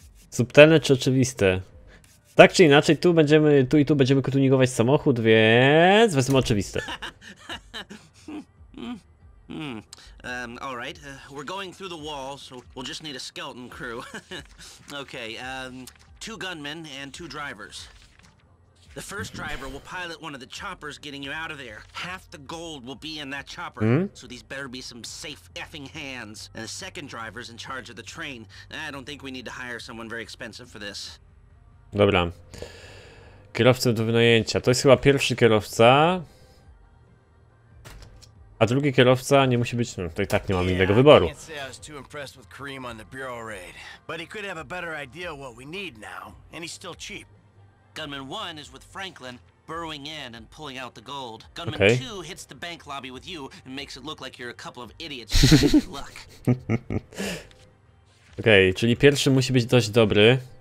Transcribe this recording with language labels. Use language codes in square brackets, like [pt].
[pl] Subtelne czy oczywiste? Tak czy inaczej, tu i tu będziemy tuningować samochód, więc wezmę oczywiste. [en] All right. We're going through the wall, so we'll just need a skeleton crew. Okay. Two gunmen and two drivers. The first driver will pilot one of the choppers getting you out of there. Half the gold will be in that chopper, so these better be some safe effing hands. And the second driver's in charge of the train. I don't think we need to hire someone very expensive for this. [pl] Dobra. Kierowcę do wynajęcia. To jest chyba pierwszy kierowca. A drugi kierowca nie musi być... No, to i tak nie mam innego wyboru. [en] I can't say I was too impressed with Kareem on the bureau raid. But he could have a better idea of what we need now. And he's still cheap. Gunman 1 is with Franklin, burrowing in and pulling out the gold. Gunman 2 hits the bank lobby with you and makes it look like you're a couple of idiots. Luck. [pl] Okej, czyli pierwszy musi być dość dobry.